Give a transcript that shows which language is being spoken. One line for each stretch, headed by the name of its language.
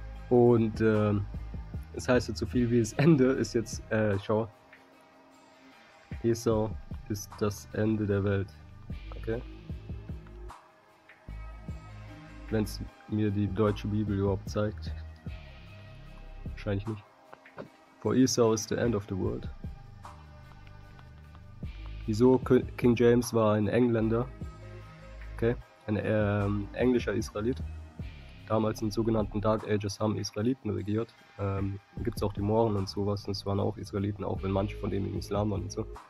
German: Und es heißt jetzt so viel wie das Ende ist jetzt, schau. Esau ist das Ende der Welt. Okay. wenn es mir die deutsche Bibel überhaupt zeigt. Wahrscheinlich nicht.
English: For Esau is the end of the world.
German: Wieso King James war ein Engländer, okay, ein englischer Israelit. Damals in den sogenannten Dark Ages haben Israeliten regiert. Gibt es auch die Mohren und sowas, und es waren auch Israeliten, auch wenn manche von denen im Islam waren und so.